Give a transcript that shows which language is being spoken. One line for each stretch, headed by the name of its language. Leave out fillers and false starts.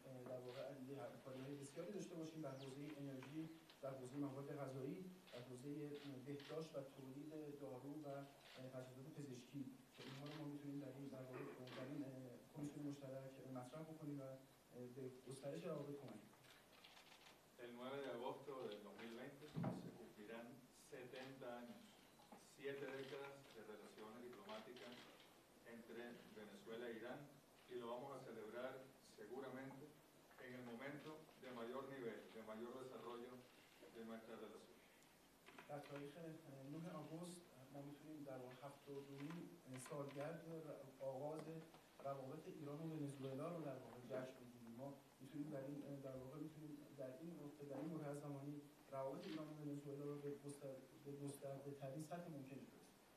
Persian: در واقع همکاری‌های بسیاری داشته باشیم در حوزه انرژی، در حوزه مواد غذایی، در حوزه بهداشت و تولید دارو و تجهیزات پزشکی که اینها رو ما میتونیم در این در واقع در این کمیسیون مشترک مطرح بکنیم و به گسترش روابط کمک کنیم.
Spanish: El 9 de agosto del 2020 se cumplirán 70 años, 7 décadas de relaciones diplomáticas entre Venezuela e Irán. Y lo vamos a celebrar seguramente en el momento de mayor nivel, de mayor desarrollo de nuestra relación. La tarde del 9 de agosto, vamos a tener dar un hafto de un sol de agosto.
Persian: روابط ایران و ونزوئلا رو در واقع جشن بگیریم. ما میتونیم در این در واقع میتونیم در این نقطه در این مرحله زمانی روابط ایران و ونزوئلا رو به گسترده ترین سطح ممکن برسونیم.